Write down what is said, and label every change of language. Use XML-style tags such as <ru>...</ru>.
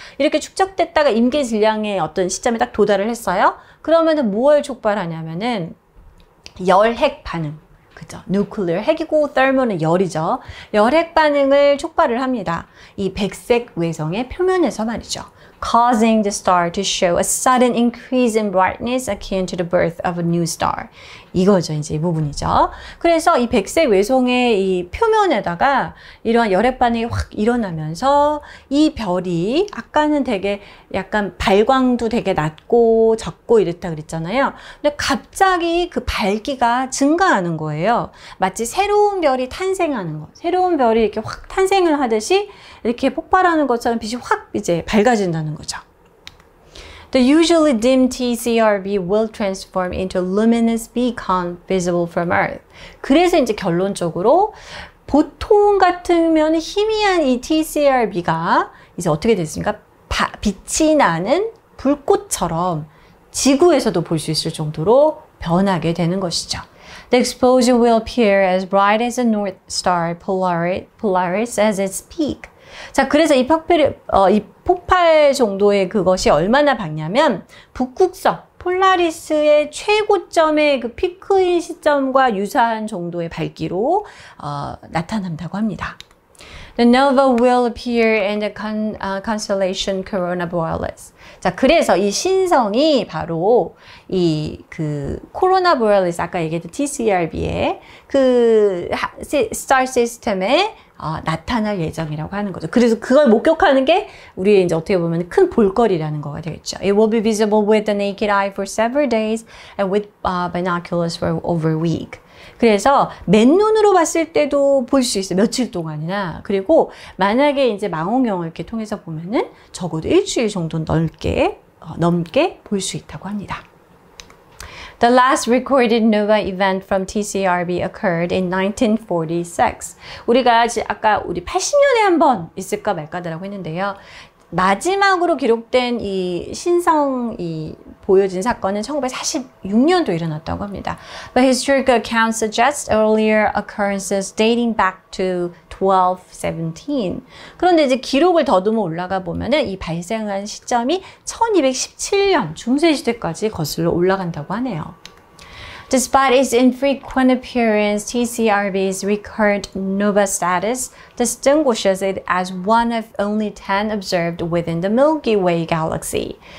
<ko>이렇게 축적됐다가 임계 질량의 어떤 시점에 딱 도달을 했어요. 그러면은 뭘 촉발하냐면은, 열핵 반응. 그죠. Nuclear, 핵이고 thermal은 열이죠. 열핵 반응을 촉발을 합니다. 이 백색 외성의 표면에서 말이죠.</ko> <en>Causing the star to show a sudden increase in brightness akin to the birth of a new star.</en> <ko>이거죠. 이제 이 부분이죠. 그래서 이 백색 외성의 이 표면에다가 이러한 열핵 반응이 확 일어나면서 이 별이 아까는 되게 약간 발광도 되게 낮고 적고 이랬다 그랬잖아요. 근데 갑자기 그 밝기가 증가하는 거예요. 마치 새로운 별이 탄생하는 거. 새로운 별이 이렇게 확 탄생을 하듯이 이렇게 폭발하는 것처럼 빛이 확 이제 밝아진다는 거죠.</ko> <en>The usually dim TCRB will transform into a luminous beacon visible from Earth.</en> <ko>그래서 이제 결론적으로 보통 같으면 희미한 이 TCRB가 이제 어떻게 됐습니까? 빛이 나는 불꽃처럼 지구에서도 볼수 있을 정도로 변하게 되는 것이죠.</ko> <en>The exposure will appear as bright as the North Star Polaris as its peak.</en> <ko>자, 그래서 이 폭발 정도의 그것이 얼마나 밝냐면, 북극성, 폴라리스의 최고점의 그 피크인 시점과 유사한 정도의 밝기로, 나타난다고 합니다.</ko> <en>The nova will appear in the constellation Corona Borealis.</en> <ko>자, 그래서 이 신성이 바로 이그 Corona Borealis, 아까 얘기했던 TCRB의 그 star system에 나타날 예정이라고 하는 거죠. 그래서 그걸 목격하는 게 우리의 이제 어떻게 보면 큰 볼거리라는 거가 되겠죠.</ko> <en>It will be visible with the naked eye for several days and with binoculars for over a week.</en> <ko>그래서 맨눈으로 봤을 때도 볼수 있어요. 며칠 동안이나. 그리고 만약에 이제 망원경을 이렇게 통해서 보면은 적어도 일주일 정도 넘게 볼수 있다고 합니다.</ko> <en>The last recorded nova event from TCRB occurred in 1946.</en> <ko>우리가 아까 우리 80년에 한번 있을까 말까다라고 했는데요. 마지막으로 기록된 이 신성 이 보여진 사건은 1946년도 일어났다고 합니다.</ko> <en>But historical accounts suggest earlier occurrences dating back to 1217.</en> <ko>그런데 이제 기록을 더듬어 올라가 보면은 이 발생한 시점이 1217년 중세시대까지 거슬러 올라간다고 하네요.</ko> <en>Despite its infrequent appearance, TCRB's recurrent nova status distinguishes it as one of only 10 observed within the Milky Way galaxy.</en>